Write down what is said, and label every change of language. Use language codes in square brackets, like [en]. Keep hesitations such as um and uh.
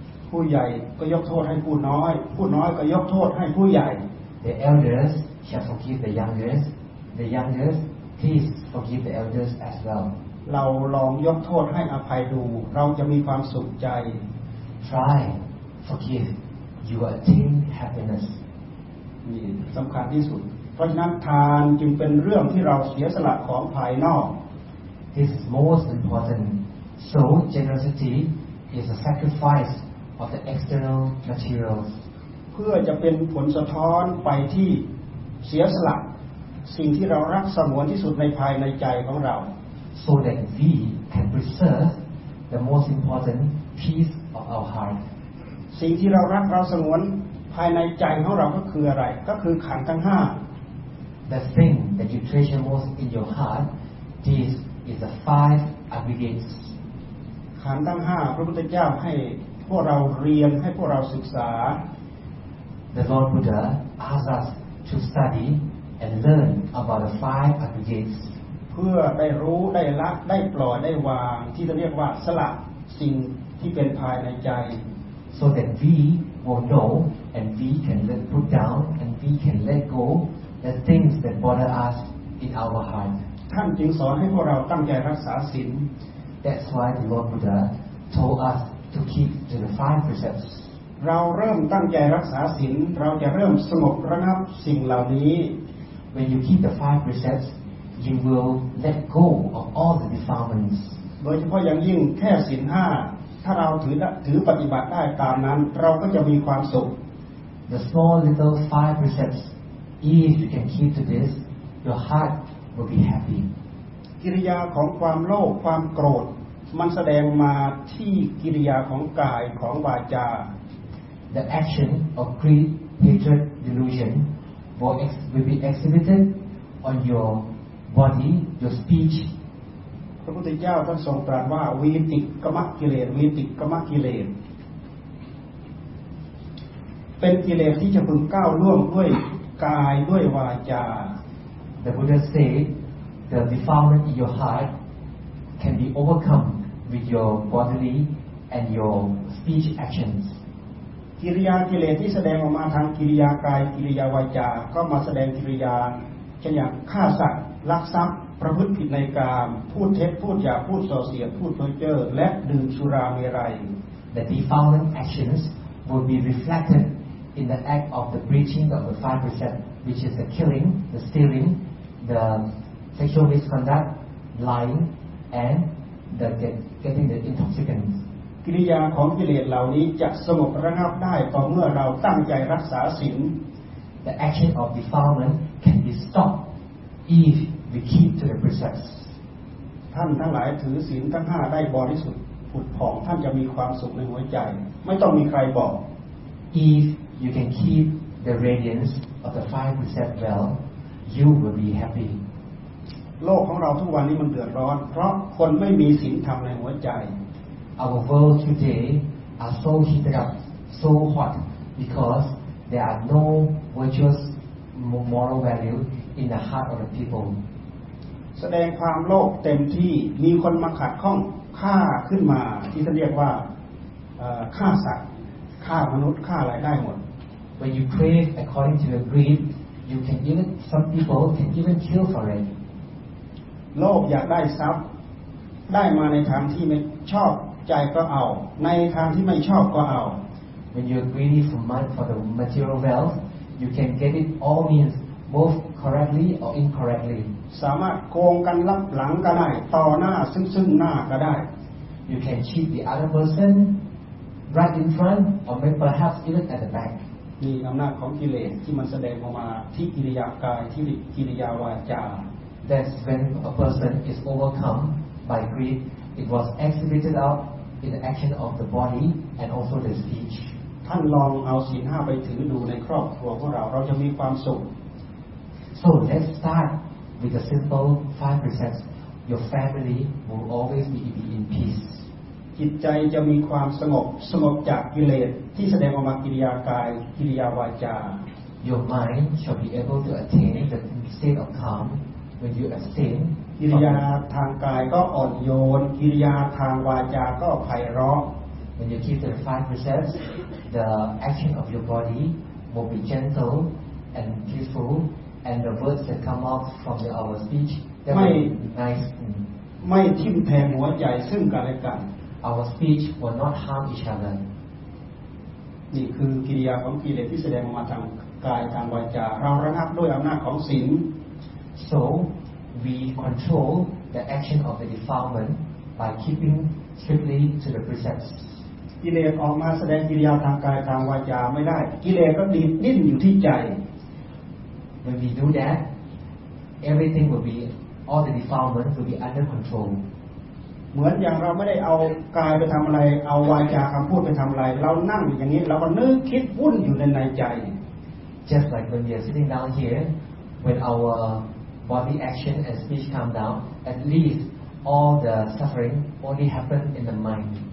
[th] ผู้ใหญ่ก็ยกโทษให้ผู้น้อย ผู้น้อยก็ยกโทษให้ผู้ใหญ่ [en] The elders shall forgive the youngest. The youngest, please forgive the elders as well. [th] เราลองยกโทษให้อภัยดู เราจะมีความสุขใจ [en] Try, forgive. You will attain happiness. [th] นี่สำคัญที่สุด เพราะฉะนั้นทานจึงเป็นเรื่องที่เราเสียสละของภายนอก [en] This is most important. So, generosity is a sacrifice of the external materials [th] เพื่อจะเป็นผลสะท้อนไปที่เสียสละ สิ่งที่เรารักสงวนที่สุดในภายในใจของเรา [en] so that we can preserve the most important piece of our heart. [th] สิ่งที่เรารักเราสงวนภายในใจของเราก็คืออะไร ก็คือขันธ์ทั้งห้า [en] The thing that you treasure most in your heart, this is the five aggregates [th] ขันธ์ทั้งห้าพระพุทธเจ้าให้พวกเราเรียนให้พวกเราศึกษา [en] The Lord Buddha asks us to study and learn about the five aggregates [th] เพื่อได้รู้ได้ละได้ปล่อยได้วาง ที่เราเรียกว่าสละสิ่งที่เป็นภายในใจ [en] so that we will know and we can let put down and we can let go the things that bother us in our heart. [th] ท่านจึงสอนให้พวกเราตั้งใจรักษาศีล [en] That's why the Lord Buddha told us to keep to the five precepts. [th] เราเริ่มตั้งใจรักษาศีลเราจะเริ่มสงบระงับสิ่งเหล่านี้ [en] When you keep the five precepts, you will let go of all the defilements. [th] โดยเฉพาะอย่างยิ่งแค่ศีลห้าถ้าเราถือละถือปฏิบัติได้ตามนั้น เราก็จะมีความสุข [en] The small little five precepts, if you can keep to this, your heart will be happy. [th] กิริยาของความโลภความโกรธ มันแสดงมาที่กิริยาของกายของวาจา [en] The action of greed, hatred, delusion will, ex- will be exhibited on your body, your speech, [th] พระพุทธเจ้าท่านทรงตรัสว่าวีติกมกิเลสวีติกมกิเลส เป็นกิเลสที่จะพึงก้าวล่วงด้วยกายด้วยวาจา [en] The Buddha said the defilement in your heart can be overcome with your bodily and your speech actions. [th] กิริยากิเลสที่แสดงออกมาทางกิริยากายกิริยาวาจา ก็มาแสดงกิริยาเช่นอย่างฆ่าสัตว์ลักทรัพย์ ประพฤติผิดในกามพูดเท็จพูดหยาบพูดส่อเสียดพูดเพ้อเจ้อและดื่มสุราเมรัย [en] The defilement actions will be reflected in the act of the breaching of the five precepts, which is the killing, the stealing, the sexual misconduct, lying, and the get, getting the intoxicants. [th] กิริยาของกิเลสเหล่านี้จะสงบระงับได้ต่อเมื่อเราตั้งใจรักษาศีล [en] The action of defilement can be stopped if we keep to the precepts. [th] ท่านทั้งหลายถือศีลทั้งห้าได้บริสุทธิ์ผุดผ่องท่านจะมีความสุขในหัวใจ ไม่ต้องมีใครบอก [en] If you can keep the radiance of the five precepts well, you will be happy. [th] โลกของเราทุกวันนี้มันเดือดร้อน เพราะคนไม่มีศีลธรรมในหัวใจ [en] Our world today are so heated up, so hot, because there are no virtuous mo- moral value in the heart of the people. [th] แสดงความโลภเต็มที่มีคนมาขัดข้องฆ่าขึ้นมา ที่ท่านเรียกว่าเอ่อฆ่าสัตว์ฆ่ามนุษย์ฆ่าอะไรได้หมด [en] When you crave according to your greed, you can even some people can even kill for it. [th] โลภอยากได้ทรัพย์ ได้มาในทางที่ไม่ชอบใจก็เอา ในทางที่ไม่ชอบก็เอา [en] When you're greedy for mon- for the material wealth, you can get it all means, both correctly or incorrectly. [th] สามารถโกงกันลับหลังก็ได้ ต่อหน้าซึ่งซึ่งหน้าก็ได้ [en] You can cheat the other person right in front or may- perhaps even at the back. [th] มีอำนาจของกิเลสที่มันแสดงออกมาที่กิริยากายที่กิริยาวาจา [en] That's when a person is overcome by greed. It was exhibited out in the action of the body and also the speech. [th] ท่านลองเอาศีลห้าไปถือดูในครอบครัวของเรา เราจะมีความสุข [en] So let's start with the simple five precepts. Your family will always be be in peace. [th] จิตใจจะมีความสงบสงบจากกิเลสที่แสดงออกมากิริยากาย กิริยาวาจา [en] Your mind shall be able to attain the state of calm when you abstain [th] กิริยาทางกายก็อ่อนโยน กิริยาทางวาจาก็ไพเราะ [en] When you keep the five precepts, the action of your body will be gentle and peaceful, and the words that come out from the, our speech that will be nice. Mm. [th] ไม่ทิ่มแทงหัวใจซึ่งกันและกัน [en] Our speech will not harm each other. [th] นี่คือกิริยาของกิเลสที่แสดงออกมาทางกายทางวาจา เราระงับด้วยอำนาจของศีล [en] So we control the action of the defilement by keeping strictly to the precepts. [th] กิเลสออกมาแสดงกิริยาทางกายทางวาจาไม่ได้ กิเลสก็ดิ้นดิ้นอยู่ที่ใจ [en] When we do that, everything will be, all the defilement will be under control. [th] เหมือนอย่างเราไม่ได้เอากายไปทำอะไร เอาวาจาคำพูดไปทำอะไร เรานั่งอยู่อย่างนี้เราก็นึกคิดวุ่นอยู่ในในใจ [en] Just like when we are sitting down here, when our body action and speech calm down, at least all the suffering only happen in the mind.